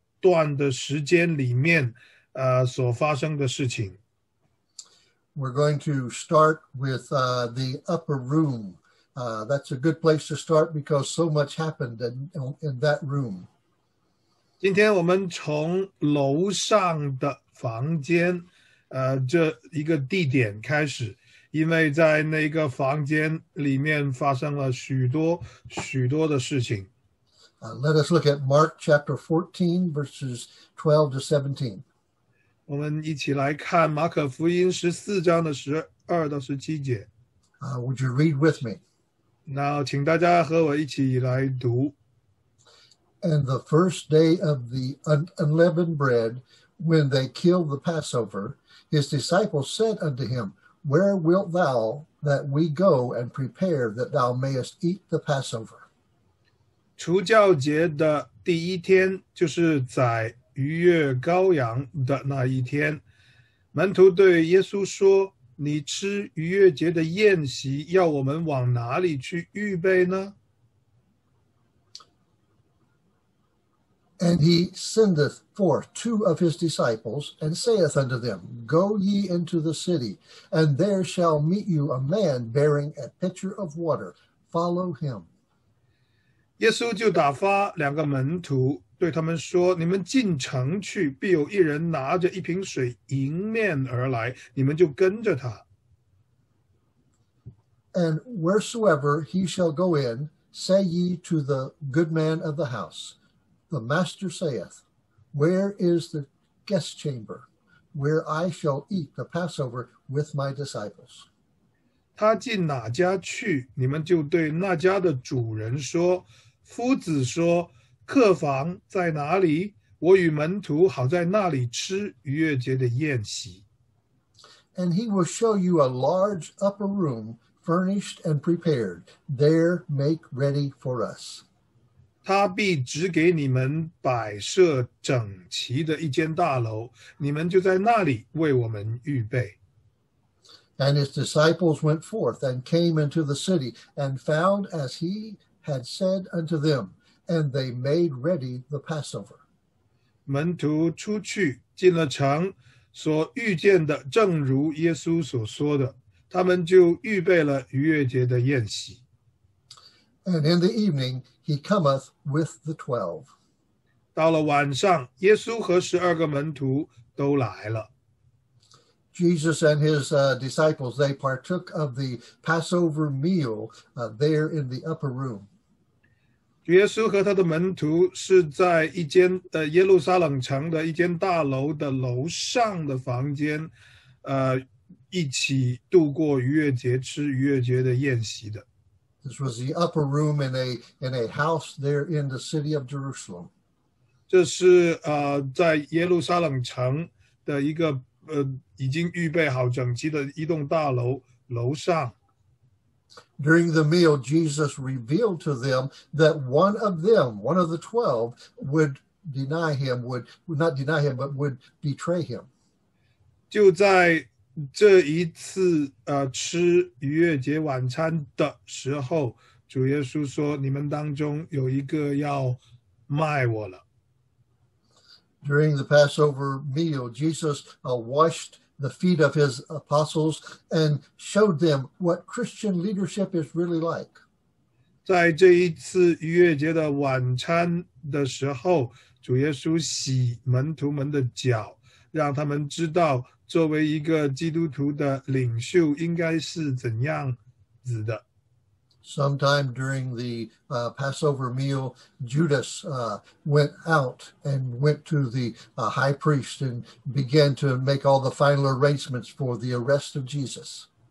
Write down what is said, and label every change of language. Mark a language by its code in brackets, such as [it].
[zh] 段的时间里面所发生的事情。 [en] We're going to start with the upper room. That's a good place to start because so much happened in that room. [zh] 今天我们从楼上的房间这一个地点开始，因为在那个房间里面发生了许多许多的事情。 [en] Let us look at Mark chapter 14, verses 12 to 17. [zh] 我们一起来看马可福音14章的12到17节。 [en] Would you read with me? [zh] 那请大家和我一起来读。 [en] And the first day of the unleavened bread, when they killed the Passover, his disciples said unto him, Where wilt thou that we go and prepare that thou mayest eat the Passover? [zh] 除酵节的第一天，就是宰逾越羔羊的那一天，门徒对耶稣说，你吃逾越节的宴席，要我们往哪里去预备呢？ [en] And he sendeth forth two of his disciples, and saith unto them, Go ye into the city, and there shall meet you a man bearing a pitcher of water. Follow him. [zh] 耶稣就打发两个门徒对他们说，你们进城去，必有一人拿着一瓶水迎面而来，你们就跟着他。 [en] And wheresoever he shall go in, say ye to the good man of the house, the master saith, where is the guest chamber where I shall eat the Passover with my disciples? [zh] 他进哪家去，你们就对那家的主人说，夫子说，客房在哪里？我与门徒好在那里吃逾越节的宴席。 [en] And he will show you a large upper room furnished and prepared. There make ready for us. [zh] 他必指给你们摆设整齐的一间大楼，你们就在那里为我们预备。 [en] And his disciples went forth and came into the city and found as he had said unto them, and they made ready the Passover. [zh] 门徒出去进了城，所遇见的正如耶稣所说的，他们就预备了逾越节的宴席。 [en] And in the evening he cometh with the 12. [zh] 到了晚上，耶稣和十二个门徒都来了。 [en] Jesus and his disciples, they partook of the Passover meal there in the upper room. [zh] 耶稣和他的门徒是在一间耶路撒冷城的一间大楼的楼上的房间一起度过逾越节吃逾越节的宴席的。 [en] This was the upper room in a house there in the city of Jerusalem. [zh] 这是在耶路撒冷城的一个已经预备好整齐的一栋大楼楼上。 [en] During the meal, Jesus revealed to them that one of them, one of the 12, would deny him, would not deny him, but would betray him. [zh] 就在这一次吃逾越节晚餐的时候，主耶稣说，你们当中有一个要卖我了。 [en] During the Passover meal, Jesus washed the feet of his apostles and showed them what Christian leadership is really like. [zh] 在这一次逾越节的晚餐的时候，主耶稣洗门徒们的脚，让他们知道作为一个基督徒的领袖应该是怎样子的。 [en] Sometime during the Passover meal, Judas went out and went to the high priest and began to make all the final arrangements for the arrest of Jesus.